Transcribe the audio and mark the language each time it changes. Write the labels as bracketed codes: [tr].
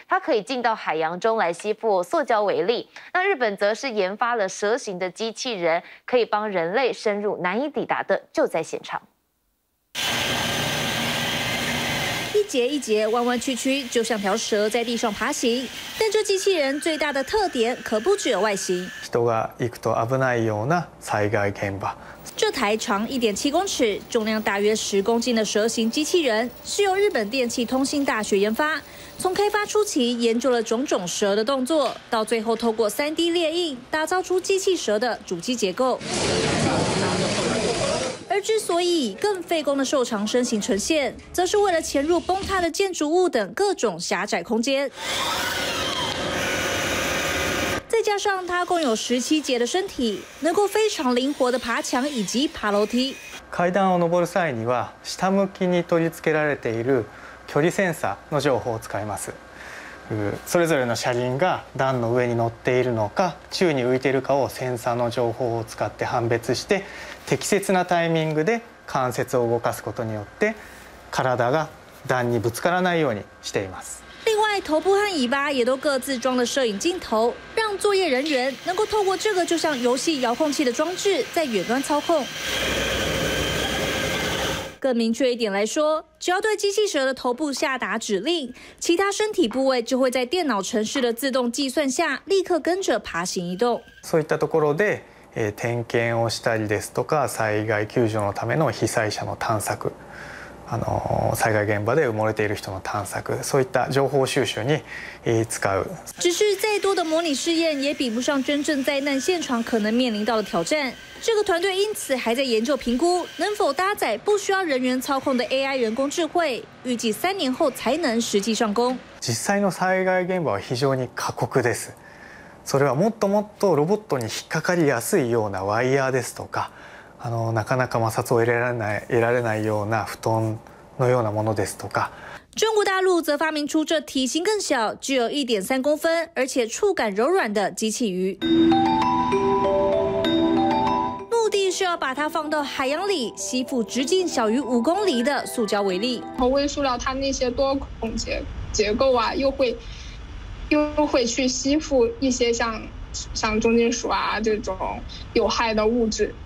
[zh] 它可以进到海洋中来吸附塑胶微粒。那日本则是研发了蛇形的机器人，可以帮人类深入难以抵达的救灾现场。一节一节弯弯曲曲，就像条蛇在地上爬行。但这机器人最大的特点可不只有外形。 [ja] 人が行くと危ないような災害現場。 [zh] 这台长1.7公尺、重量大约10公斤的蛇形机器人，是由日本电气通信大学研发。从开发初期研究了种种蛇的动作，到最后透过 3D 列印打造出机器蛇的主机结构。而之所以更费工的瘦长身形呈现，则是为了潜入崩塌的建筑物等各种狭窄空间。再加上它共有17节的身体，能够非常灵活的爬墙以及爬楼梯。 [ja] 階段を上る際には下向きに取り付けられている距離センサーの情報を使います。それぞれの車輪が段の上に乗っているのか宙に浮いているかをセンサーの情報を使って判別して、適切なタイミングで関節を動かすことによって体が段にぶつからないようにしています。 [zh] 另外，头部和尾巴也都各自装了摄影镜头，让作业人员能够透过这个就像游戏遥控器的装置，在远端操控。更明确一点来说，只要对机器蛇的头部下达指令，其他身体部位就会在电脑程序的自动计算下，立刻跟着爬行移动。 [ja] そういったところで、点検をしたりですとか、災害救助のための被災者の探索。災害現場で埋もれている人の探索、そういった情報収集に使う。 [zh] 只是再多的模拟试验也比不上真正灾难现场可能面临到的挑战。这个团队因此还在研究评估，能否搭载不需要人员操控的 AI 人工智慧，预计3年后才能实际上工。 [ja] 実際の災害現場は非常に過酷です。それはもっともっとロボットに引っかかりやすいようなワイヤーですとか。なかなか摩擦を得られないような布団のようなものですとか。 [zh] 中国大陆则发明出这体型更小、具有1.3公分、而且触感柔软的机器鱼。目的是要把它放到海洋里，吸附直径小于5公里的塑胶微粒。从微塑料它那些多孔结构啊，又会去吸附一些像重金属啊这种有害的物质。